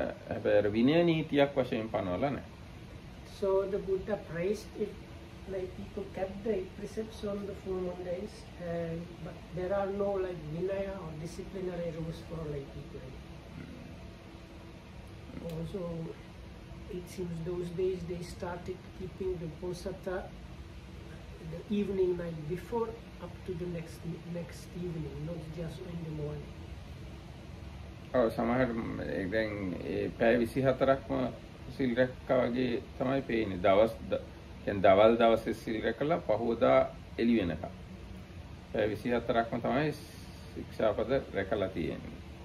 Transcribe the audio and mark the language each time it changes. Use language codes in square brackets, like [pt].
[si] හැබැයි විනය නීතියක් වශයෙන් පනවලා නැහැ. [en] So the Buddha praised it. Like people kept the eight precepts on the full moon days, but there are no like vinaya or disciplinary rules for lay people. Also, it seems those days they started keeping the posata the evening night before up to the next evening, not just in the morning. [si] Oh, සමහර දැන් ඒ පැය 24ක්ම සිල් රැක්කා වගේ තමයි පේන්නේ දවස් එන් දවල් දවසේ සිල් රැකලා පහෝදා එළි වෙනකම් 24ක්ම තමයි ශික්ෂාපද රැකලා තියෙන්නේ.